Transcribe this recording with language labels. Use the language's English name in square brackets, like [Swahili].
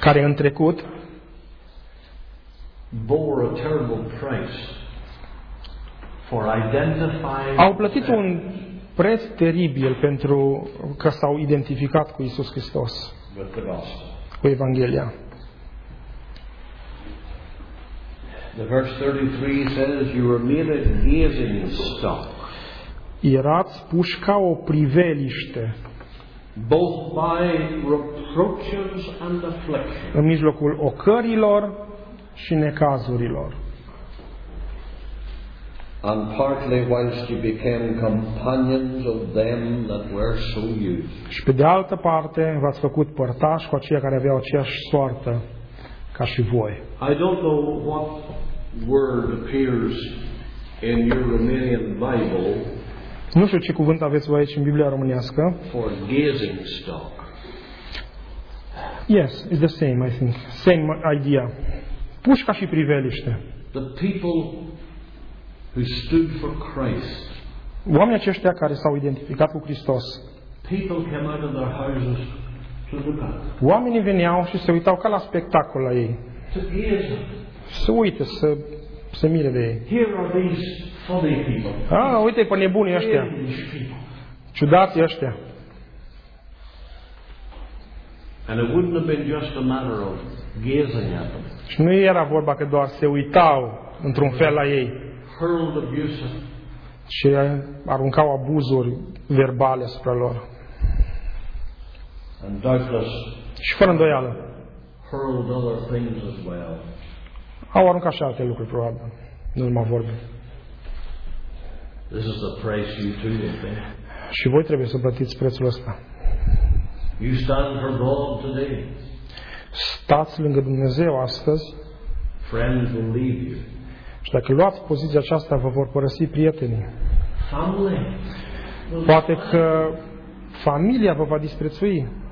[Romanian] care în trecut [English] bore a terrible price for identifying [Romanian] au plătit un preț teribil pentru că s-au identificat cu Iisus Hristos. Cu Evanghelia. [English] The verse 33 says you were made a gazing stock. [Romanian] Erați puși ca o priveliște. [English] Both by reproaches and afflictions. [Romanian] În mijlocul ocărilor și necazurilor. [English] And partly whilst you became companions of them that were so used. [Romanian] Și pe de altă parte, v-ați făcut părtași cu aceia care aveau aceeași soartă ca și voi. [English] I don't know what word appears in your Romanian Bible. [Romanian] Nu știu ce cuvânt aveți voi aici în Biblia românească. [English] For gazing stock. Yes, it's the same, I think. Same idea. [Romanian] Pușca și priveliște. [English] The people who stood for Christ. [Romanian] Oamenii aceștia care s-au identificat cu Hristos. [English] People came out of their houses to look at. [Romanian] Oamenii veneau și se uitau ca la spectacol la ei. [English] To gaze. [Romanian] Să uite, să se mire de ei. [English] Here are these funny people. [Romanian] Ah, uite pe nebunii ăștia. Ciudați ăștia. [English] And it wouldn't have been just a matter of gazing at them. [Romanian] Și nu era vorba că doar se uitau într-un fel la ei. [English] Hurled abuse. [Romanian] Și aruncau abuzuri verbale asupra lor. [English] And doubtless. [Romanian] Și fără îndoială. [English] Hurled other things as well. [Romanian] Au aruncat și alte lucruri probabil. Nu numai vorbe. [English] This is the price you too will pay. [Romanian] Și voi trebuie să plătiți prețul ăsta. [English] You stand for God today. [Romanian] Stați lângă Dumnezeu astăzi. [English] Friends will leave you. [Romanian] Și dacă luați poziția aceasta, vă vor părăsi prietenii. [English] Family. [Romanian] Poate că familia vă va disprețui.